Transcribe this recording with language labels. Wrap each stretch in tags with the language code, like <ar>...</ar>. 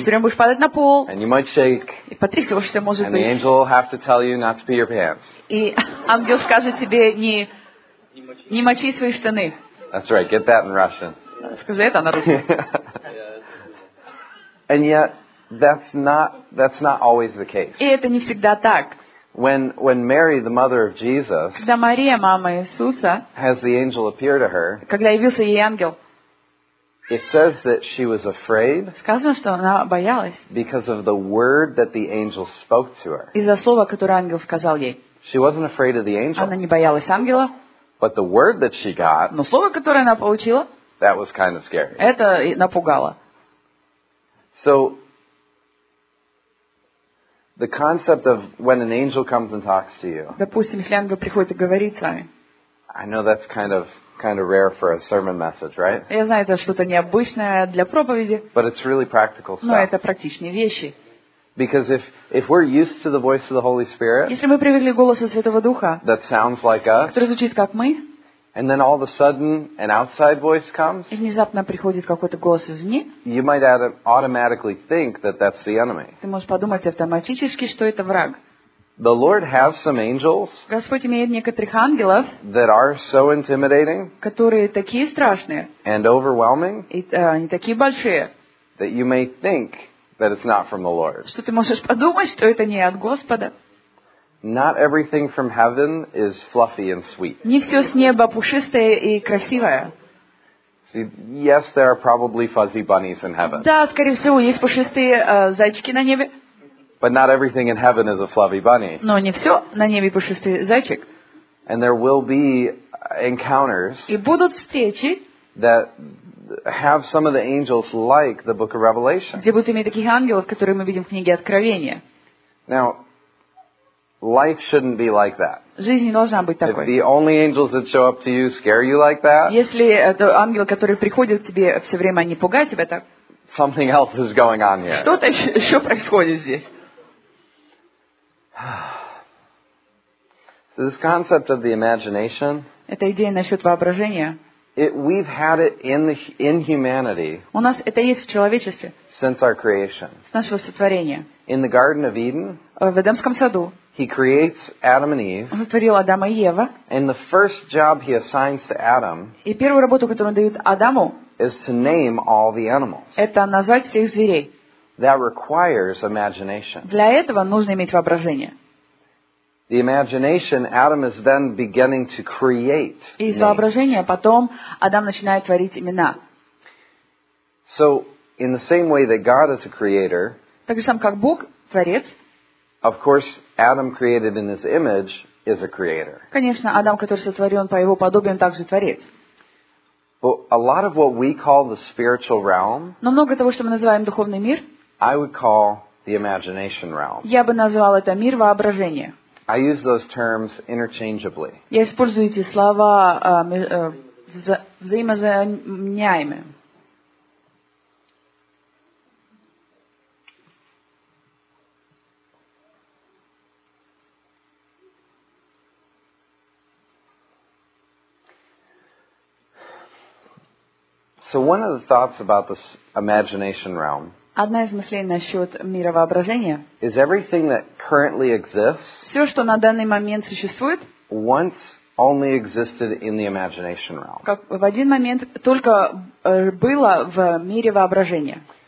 <ru>Что ты все время будешь падать на пол.</ru> <en>And you might shake.</en> <ru>И потрясешься, может быть.</ru> <en>And the angel will have to tell you not to pee your pants.</en> <ru>И ангел скажет тебе не мочи свои штаны.</ru> <en>That's right. Get that in Russian.</en> <ru>Скажи это на русском.</ru> <en>And yet, that's not always the case.</en> <ru>И это не всегда так.</ru> <en>When Mary, the mother of Jesus,</en> <ru>когда Мария, мама Иисуса,</ru> <en>has the angel appear to her,</en> <ru>когда явился ей ангел,</ru> <en>it says that she was afraid,</en> <ru>сказано, что она боялась,</ru> <en>because of the word that the angel spoke to her.</en> <ru>Из-за слова, которое ангел сказал ей.</ru> <en>She wasn't afraid of the angel.</en> <ru>Она не боялась ангела.</ru> <en>But the word that she got,</en> <ru>но слово, которое она получила,</ru> <en>that was kind of scary.</en> <ru>Это напугало.</ru> <en>So, the concept of when an angel comes and talks to you.</en> <ru>Допустим, если ангел приходит и говорит с вами.</ru> <en>I know that's kind of rare for a sermon message, right?</en> <ru>Я знаю, это что-то необычное для проповеди.</ru> <en>But it's really practical stuff.</en> <ru>Но это практичные вещи.</ru> <en>Because if we're used to the voice of the Holy Spirit.</en> <ru>Если мы привыкли к голосу Святого Духа.</ru> <en>That sounds like us.</en> <ru>Который звучит как мы.</ru> <en>And then all of a sudden an outside voice comes.</en> <ru>И внезапно приходит какой-то голос извне.</ru> <en>You might automatically think that that's the enemy.</en> <ru>Ты можешь подумать автоматически, что это враг.</ru> <en>The Lord has some angels.</en> <ru>Господь имеет некоторых ангелов.</ru> <en>That are so intimidating.</en> <ru>Которые такие страшные.</ru> <en>And overwhelming.</en> <ru>И они такие большие.</ru> <en>That you may think that it's not from the Lord.</en> <ru>Что ты можешь подумать, что это не от Господа.</ru> <en>Not everything from heaven is fluffy and sweet.</en> <ru>Не все с неба пушистое и красивое.</ru> <en>See, yes, there are probably fuzzy bunnies in heaven.</en> <ru>Да, скорее всего, есть пушистые зайчики на небе.</ru> <en>But not everything in heaven is a fluffy bunny.</en> <ru>Но не все на небе пушистый зайчик.</ru> <en>And there will be encounters.</en> <ru>И будут встречи.</ru> <en>That have some of the angels like the Book of Revelation.</en> <ru>Где будут иметь таких ангелов, которые мы видим в книге Откровения.</ru> <en>Now. Life shouldn't be like that.</en> <ru>Жизнь не должна быть такой.</ru> <en>If the only angels that show up to you scare you like that.</en> <ru>Если ангел, который приходит к тебе все время, не пугает тебя так.</ru> <en>Something else is going on here.</en> <ru>Что-то еще происходит здесь.</ru> <en>So this concept of the imagination.</en> <ru>Эта идея насчет воображения.</ru> <en>We've had it in humanity.</en> <ru>У нас это есть в человечестве.</ru> <en>Since our creation.</en> <ru>С нашего сотворения.</ru> <en>In the Garden of Eden.</en> <ru>В Эдемском саду.</ru> <en>He creates Adam and Eve.</en> <ru>Он сотворил Адама и Еву.</ru> <en>And the first job he assigns to Adam.</en> <ru>И первую работу, которую он дает Адаму.</ru> <en>Is to name all the animals.</en> <ru>Это назвать всех зверей.</ru> <en>That requires imagination.</en> <ru>Для этого нужно иметь воображение.</ru> <en>The imagination Adam is then beginning to create.</en> <ru>Из воображения потом Адам начинает творить имена.</ru> <en>So in the same way that God is a creator.</en> <ru>Так же сам как Бог творец.</ru> <en>Of course, Adam created in his image is a creator.</en> <ru>Конечно, Адам, который сотворен по его подобию, он также творец.</ru> <en>But a lot of what we call the spiritual realm.</en> <ru>Но много того, что мы называем духовный мир.</ru> <en>I would call the imagination realm.</en> <ru>Я бы назвал это мир воображения.</ru> <en>I use those terms interchangeably.</en> <ru>Я использую эти слова взаимозаменяемые.</ru> <en>So one of the thoughts about this imagination realm.</en> <ru>Одна из мыслей насчет мира воображения.</ru> <en>Is everything that currently exists.</en> <ru>Все, что на данный момент существует.</ru> <en>Once only existed in the imagination realm.</en> <ru>Как в один момент только было в мире воображения.</ru>